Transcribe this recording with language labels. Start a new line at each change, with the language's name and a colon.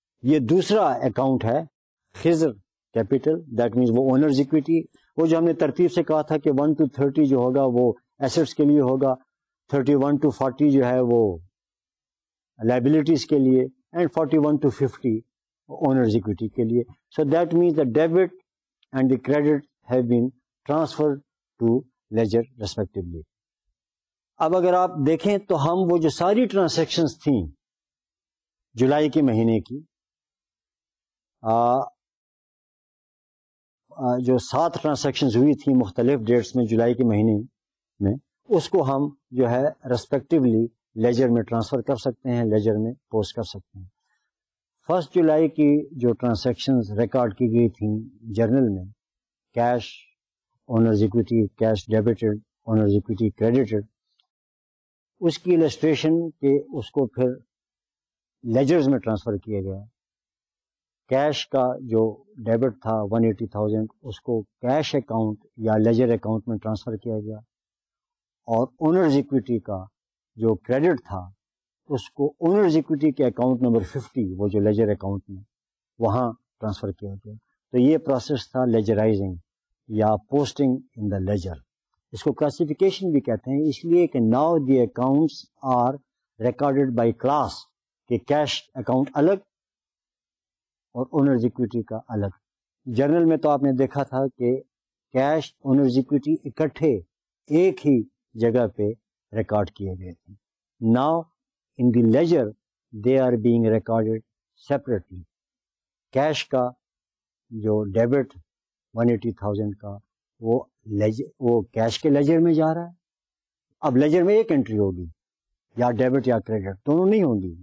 Urdu: یہ دوسرا اکاؤنٹ ہے خضر کیپیٹل, دیٹ مینس وہ اونرز اکویٹی. وہ جو ہم نے ترتیب سے کہا تھا کہ 1 to 30 جو ہوگا وہ ایسٹس کے لیے ہوگا, 31 to 40 جو ہے وہ لائبلٹیز کے لیے, اینڈ 41 to 50 اونرز اکویٹی کے لیے.
English: So that means the debit and the credit have been transfer to ledger respectively.
Urdu: اب اگر آپ دیکھیں تو ہم وہ جو ساری ٹرانزیکشنز تھیں جولائی کے مہینے کی, جو 7 ٹرانزیکشنز ہوئی تھیں مختلف ڈیٹس میں جولائی کے مہینے میں, اس کو ہم جو ہے ریسپیکٹولی لیجر میں ٹرانسفر کر سکتے ہیں, لیجر میں پوسٹ کر سکتے ہیں. 1 جولائی کی جو ٹرانزیکشنز ریکارڈ کی گئی تھیں جرنل میں, cash owners equity, cash debited, owners equity credited, اس کی الیسٹریشن کے اس کو پھر لیجرز میں ٹرانسفر کیا گیا. کیش کا جو ڈیبٹ تھا 180,000, اس کو کیش اکاؤنٹ یا لیجر اکاؤنٹ میں ٹرانسفر کیا گیا, اور اونرز اکویٹی کا جو کریڈٹ تھا اس کو اونرز اکویٹی کے اکاؤنٹ نمبر 50, وہ جو لیجر اکاؤنٹ میں, وہاں ٹرانسفر کیا گیا. تو یہ پروسیس تھا لیجرائزنگ یا پوسٹنگ ان دا لیجر. اس کو کلاسیفیکیشن بھی کہتے ہیں, اس لیے کہ
English: now the accounts are recorded by class,
Urdu: کہ کیش اکاؤنٹ الگ اور اونرز اکویٹی کا الگ. جرنل میں تو آپ نے دیکھا تھا کہ کیش اونرز اکویٹی اکٹھے ایک ہی جگہ پہ ریکارڈ کیے گئے تھے.
English: Now in the ledger they are being recorded separately.
Urdu: Cash کا جو ڈیبٹ 180,000 کا, وہ کیش کے لیجر میں جا رہا ہے. اب لیجر میں ایک انٹری ہوگی, یا ڈیبٹ یا کریڈٹ, دونوں نہیں ہوں گی.